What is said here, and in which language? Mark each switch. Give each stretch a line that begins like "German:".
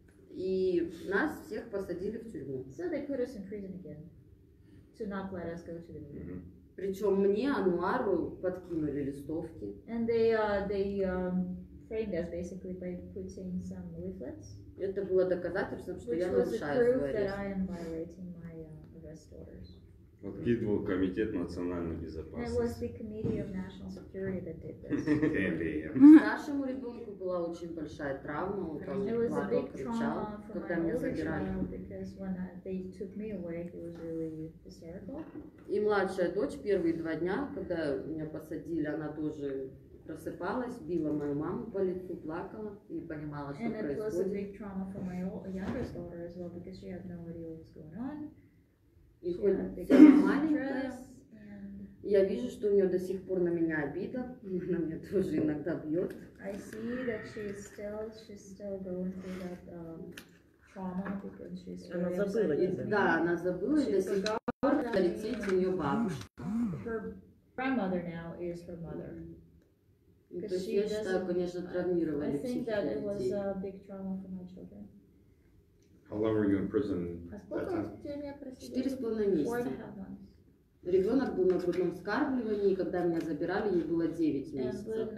Russian: И нас всех посадили в тюрьму.
English: So they put us in prison again to not let us go to the meeting.
Russian: Причем мне, Ануару, подкинули листовки.
English: And they framed us basically by putting some leaflets.
Russian: Это было доказательством, что я нарушаю свой арест.
English: Which was proof that I am violating my arrest orders.
Russian: Подкидывал комитет национальной безопасности.
English: It was the Committee of National Security that did this.
Russian: Нашему ребенку была очень большая травма. Он там плакал, кричал, когда меня забирали.
English: Because when they took me away, it was really hysterical.
Russian: И младшая дочь первые два дня, когда меня посадили, она тоже просыпалась, била мою маму по лицу, плакала и понимала, что происходит.
English: And it was a big trauma for my youngest daughter as well, because she had no idea what was going on.
Russian: И хоть маленькая, я вижу, что у нее до сих пор на меня обида, она меня тоже иногда бьет.
English: I see that she's still going through that
Russian: Она забыла тебя. Да, она забыла, до сих пор полетит ее бабушка.
English: Grandmother now is her mother. Because she doesn't.
Russian: Конечно, травмировали детей.
English: I think that it was a big trauma for my children. How long were you in prison?
Russian: Четыре с половиной месяца. Ребенок был на грудном вскармливании, и когда меня забирали, ей было 9 месяцев.